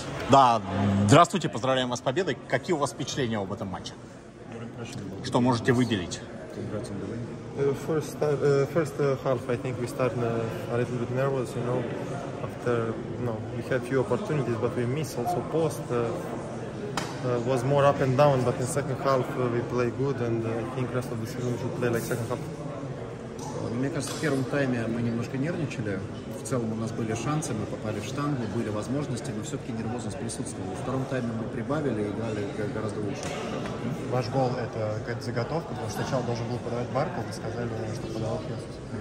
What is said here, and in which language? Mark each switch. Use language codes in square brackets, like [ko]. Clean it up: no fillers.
[ru] Да, здравствуйте, поздравляем вас с победой. Какие у вас впечатления об этом матче? Что можете выделить? [en] First half, I think we started a little bit nervous, you know. After, you know, we had few opportunities, but we missed also post. Was more up and down, but in second half we play good, and I think rest of the season we should play like second half. [ru] Мне кажется, в первом тайме мы немножко нервничали. В целом у нас были шансы, мы попали в штангу, были возможности, но все-таки нервозность присутствовала. Во втором тайме мы прибавили и играли гораздо лучше. Ваш гол – это какая-то заготовка, потому что сначала должен был подавать Барку, вы сказали, что подавал Хесус.